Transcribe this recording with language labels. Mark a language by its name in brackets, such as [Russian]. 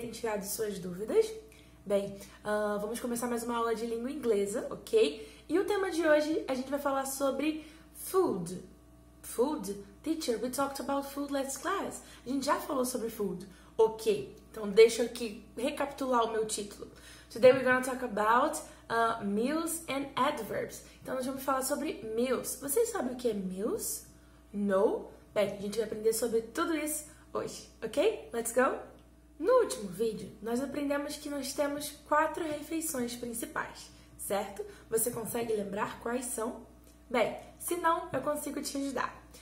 [Portuguese] Tem tirado suas dúvidas? Bem, vamos começar mais uma aula de língua inglesa, ok? E o tema de hoje, a gente vai falar sobre food. Food? [English] Teacher, we talked about food last class. [Portuguese] A gente já falou sobre food. Ok, então deixa eu aqui recapitular o meu título. [English] Today we're going to talk about meals and adverbs. [Portuguese] Então nós vamos falar sobre meals. Vocês sabem o que é meals? No? Bem, a gente vai aprender sobre tudo isso hoje, ok? [English] Let's go! [Portuguese] No último vídeo, nós aprendemos que nós temos 4 refeições principais, certo? Você consegue lembrar quais são? Bem, se não, eu consigo te ajudar.